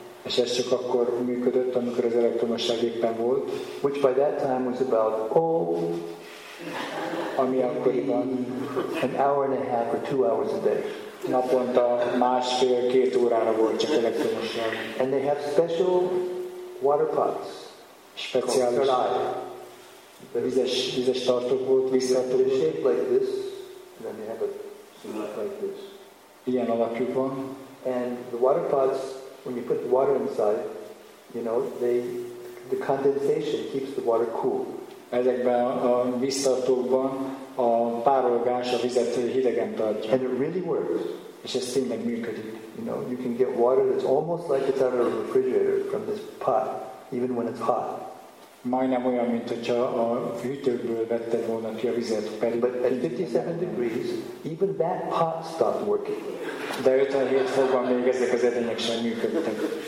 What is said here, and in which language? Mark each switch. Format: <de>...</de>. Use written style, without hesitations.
<hu>És ez csak akkor működött, amikor az elektromosság éppen volt.</hu> <en>Which by that time was about,</en> <hu>ami akkoriban</hu> <en>an hour and a half or 2 hours a day.</en> <hu>Naponta másfél-két órára volt csak elektromosság.</hu> <en>And they have special water pots.</en> <hu>Speciális. De vizes tartók volt, víztartók.</hu> <en>They're shaped like this. And then they have a cylinder like this.</en> <hu>Ilyen alakjuk van.</hu> <en>And the water pots, when you put the water inside, you know, the condensation keeps the water cool.</en> <hu>Ezekben a víztartókban a párolgás a vizet hidegen tartja.</hu> <en>And it really works.</en> <hu>És ez tényleg működik.</hu> <en>You know, you can get water that's almost like it's out of a refrigerator from this pot, even when it's hot.</en> <hu>Majdnem olyan, mint hogyha a hűtőből vetted volna ki a vizet. Pedig</hu> <en>but at 57 degrees, even that pot stopped working.</en> <hu>De 57 fokban még ezek az edények sem működtek.</hu>